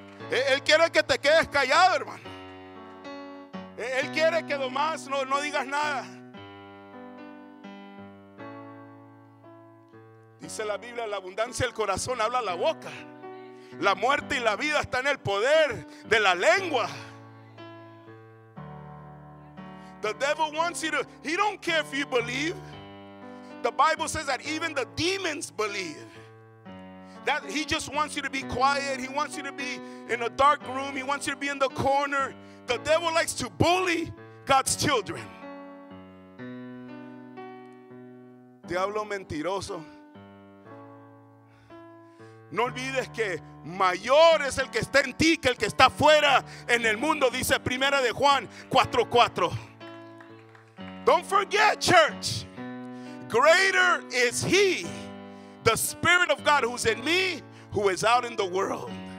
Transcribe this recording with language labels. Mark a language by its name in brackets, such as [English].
[Spanish] Él quiere que te quedes callado, hermano. Él quiere que nomás no digas nada. Dice la Biblia, la abundancia del corazón habla la boca. La muerte y la vida está en el poder de la lengua. [English] The devil wants you to, he don't care if you believe. The Bible says that even the demons believe. That he just wants you to be quiet. He wants you to be in a dark room. He wants you to be in the corner. The devil likes to bully God's children. [Spanish] Diablo mentiroso. No olvides que mayor es el que está en ti que el que está fuera en el mundo, dice Primera de Juan 4:4. [English] Don't forget, church. Greater is he, the Spirit of God who's in me, who is out in the world.